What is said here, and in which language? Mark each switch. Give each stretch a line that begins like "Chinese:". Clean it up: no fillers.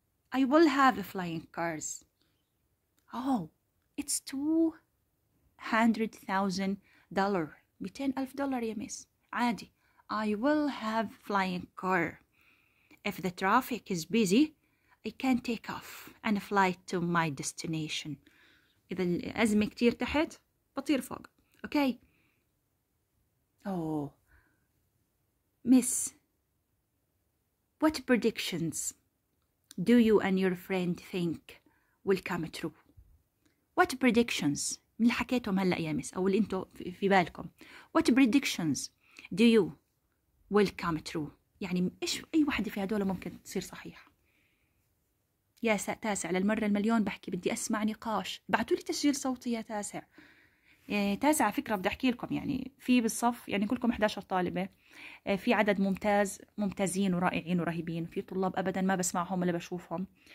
English: I will have flying cars. Oh, it's $200,000. $200,000
Arabic: يا ميس. عادي.
English: I will have flying car. If the traffic is busy, I can take off and fly to my destination.
Arabic: إذا الأزمة كتير تحت, بطير فوق.
English: Okay. Oh. Miss, what predictions do you and your friend think will come true? What predictions?
Arabic: من اللي حكيتهم هلأ يا ميس, أو اللي أنتو في بالكم.
English: What predictions do you will come true?
Arabic: يعني إيش أي واحدة في هدول ممكن تصير صحيحة؟ يا تاسع للمرة المليون بحكي بدي أسمع نقاش. بعتوا لي تسجيل صوتي يا تاسع. تاسع فكرة بدي أحكي لكم, يعني في بالصف يعني كلكم 11 طالبة, في عدد ممتاز ممتازين ورائعين ورهيبين, في طلاب أبدا ما بسمعهم ولا بشوفهم.